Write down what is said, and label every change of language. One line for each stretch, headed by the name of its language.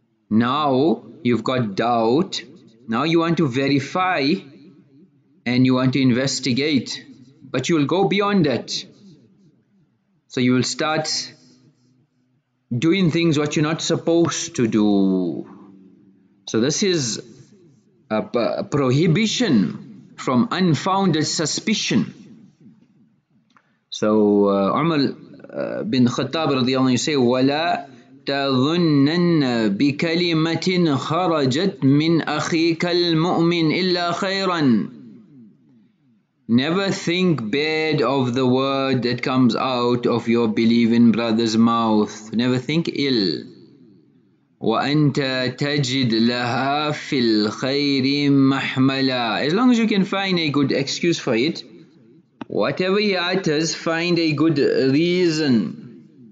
English: Now you've got doubt, now you want to verify and you want to investigate, but you will go beyond that. So you will start doing things what you're not supposed to do. So this is a prohibition from unfounded suspicion. So Umar bin Khattab radiallahu anhu, you say,
Arabic: وَلَا تَظُنَّنَّ بِكَلِمَةٍ خَرَجَتْ مِنْ أَخِيكَ الْمُؤْمِنِ إِلَّا خَيْرًا.
English: Never think bad of the word that comes out of your believing brother's mouth. Never think ill.
Arabic: وَأَنْتَ تَجِدْ لَهَا فِي الْخَيْرِ مَحْمَلًا.
English: As long as you can find a good excuse for it, whatever he utters, find a good reason.